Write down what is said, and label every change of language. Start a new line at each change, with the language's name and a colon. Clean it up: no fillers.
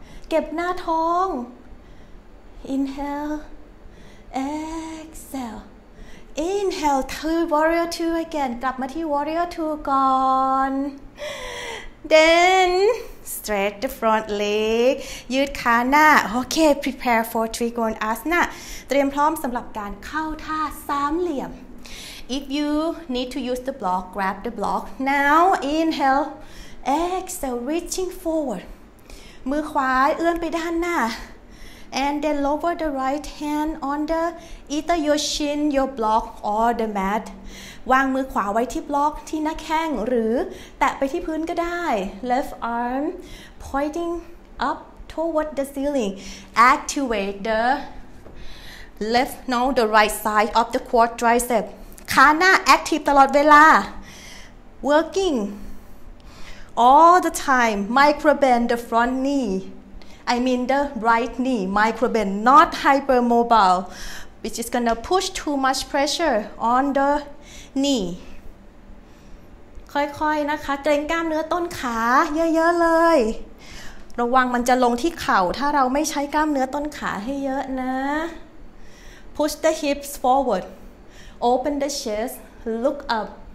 Thai: เก็บหน้าท้อง.
English: Inhale, exhaleInhale to warrior 2 again.
Thai: กลับมาที่ warrior 2ก่อน.
English: Then stretch the front leg.
Thai: ยืดขาหน้า.
English: Okay, prepare for Trikonasana.
Thai: เตรียมพร้อมสำหรับการเข้าท่าสามเหลี่ยม.
English: If you need to use the block, grab the block. Now inhale. Exhale, reaching forward.
Thai: มือขวาเอื้อมไปด้านหน้า
English: And then lower the right hand on the either your shin, your block, or the mat.
Thai: วางมือขวาไว้ที่บล็อกที่หน้าแข้งหรือแตะไปที่พื้นก็ได้
English: Left arm pointing up toward the ceiling. Activate the left, no, the right side of the quadricep.
Thai: ขาหน้า active ตลอดเวลา
English: Working all the time. Micro bend the front knee. I mean the right knee, micro bend, not hypermobile, which is gonna push too much pressure on the knee.
Thai: ค่อยๆนะคะเกรงกล้ามเนื้อต้นขาเยอะๆเลยระวังมันจะลงที่เข่าถ้าเราไม่ใช้กล้ามเนื้อต้นขาให้เยอะนะ
English: Push the hips forward, open the chest, look up.